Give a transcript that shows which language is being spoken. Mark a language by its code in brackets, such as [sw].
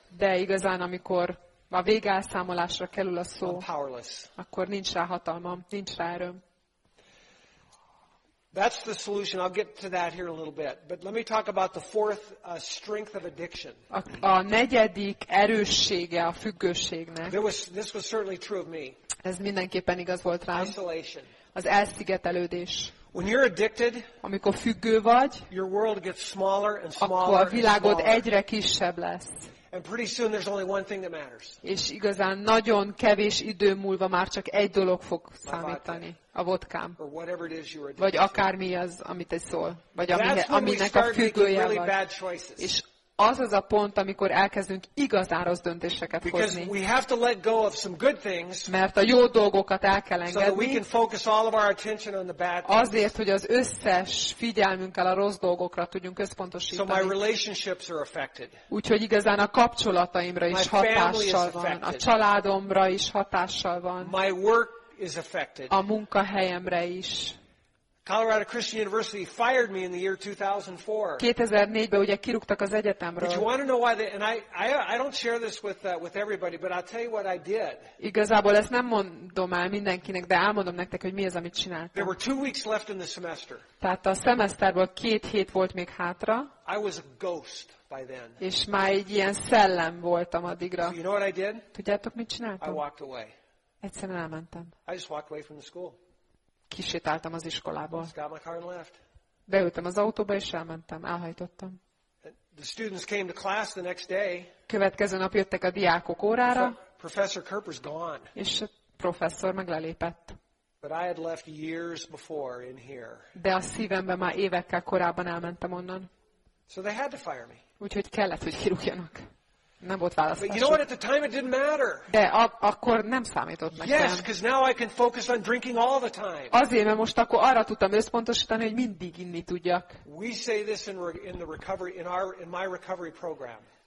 [hu] De igazán, amikor a végelszámolásra kerül a szó, [en] I'm powerless. [hu] Akkor nincs rá hatalmam, nincs rá erőm. [en] That's the solution. I'll get to that here in a little bit. But let me talk about the fourth strength of addiction. [hu] A negyedik erőssége a függőségnek. [en] This was certainly true of me. [hu] Ez mindenképpen igaz volt rám. [en] Isolation. [hu] Az elszigetelődés. [en] When you're addicted, [hu] amikor függő vagy, [en] your world gets smaller and smaller. [hu] Akkor a világod egyre kisebb lesz. [en] And pretty soon there's only one thing that matters. [hu] És igazán nagyon kevés idő múlva már csak egy dolog fog számítani, a vodkám. [en] Or whatever it is you're addicted. [hu] Vagy akármi az, amit te szól, vagy aminek a függője vagy. És az az a pont, amikor elkezdünk igazán rossz döntéseket hozni. [en] Because we have to let go of some good things. [hu] Mert a jó dolgokat el kell engedni. [en] So that we can focus all of our attention on the bad things. [hu] Azért, hogy az összes figyelmünkkel a rossz dolgokra tudjunk összpontosítani. [en] So my relationships are affected. [hu] Úgyhogy igazán a kapcsolataimra is hatással van. A családomra is hatással van. [en] My work is affected. [hu] A munkahelyemre is. [en] Colorado Christian University fired me in the year 2004. [hu] 2004-ben ugye kirúgtak az egyetemről. [en] But you want to know why? I don't share this with everybody, but I'll tell you what I did. [hu] Igazából ezt nem mondom el mindenkinek, de elmondom nektek, hogy mi az, amit csináltam. [en] There were 2 weeks left in the semester. [hu] Tehát a szemeszterből 2 hét volt még hátra. [en] I was a ghost by then. [hu] És már egy ilyen szellem voltam addigra. [en] You know what I did? [hu] Tudjátok, mit csináltam? [en] I walked away. [hu] Egyszerűen elmentem. [en] I just walked away from the school. [hu] Kisétáltam az iskolából. [en] Got my car and left. [hu] Beültem az autóba és elmentem, elhajtottam. [en] The students came to class the next day. [hu] Következő nap jöttek a diákok órára. [en] Professor Kerper's gone. [hu] És a professzor meg lelépett. [en] But I had left years before in here. [hu] De a szívemben már évekkel korábban elmentem onnan. [en] So they had to fire me. [hu] Úgyhogy kellett, hogy kirúgjanak. Nem volt választás. [en] But you know what, at the time it didn't matter. [hu] De akkor nem számított nekem. [en] Yes, because now I can focus on drinking all the time. [hu] Azért, mert most akkor arra tudtam összpontosítani, hogy mindig inni tudjak. [en] We say this in the recovery, in my recovery program.